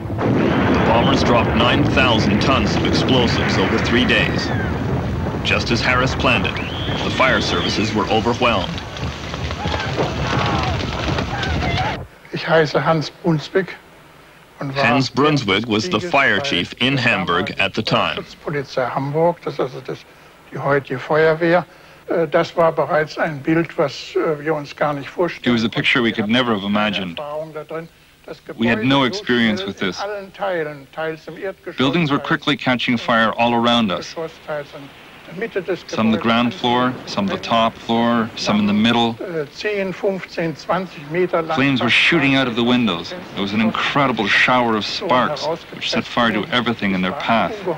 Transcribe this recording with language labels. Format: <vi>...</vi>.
<en>The bombers dropped 9,000 tons of explosives over 3 days. Just as Harris planned it, the fire services were overwhelmed. Hans Brunswick was the fire chief in Hamburg at the time.</en> <de>Polizei Hamburg, das ist das, die heutige Feuerwehr. Das war bereits ein Bild, was wir uns gar nicht vorstellen.</de> <en>It was a picture we could never have imagined. We had no experience with this. Buildings were quickly catching fire all around us. Some the ground floor, some the top floor, some in the middle. Flames were shooting out of the windows. There was an incredible shower of sparks, which set fire to everything in their path.</en>